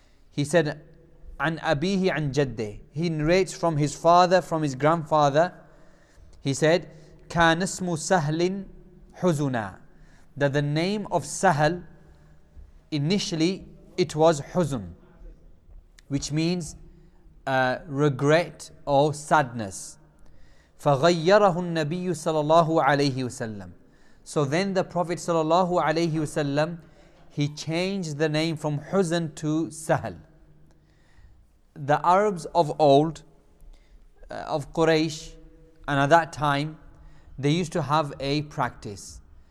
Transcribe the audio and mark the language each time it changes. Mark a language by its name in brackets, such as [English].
[English] He said, [Arabic] an abihi an jaddi, [English] he narrates from his father, from his grandfather. He said, [Arabic] kanismu sahlin [English] حزنا, that the name of Sahal, initially it was حزن, which means regret or sadness. [Arabic] فغيره النبي صلى الله عليه وسلم. [English] So then the Prophet صلى الله عليه وسلم, he changed the name from حزن to سهل. The Arabs of old, of Quraysh, and at that time, they used to have a practice.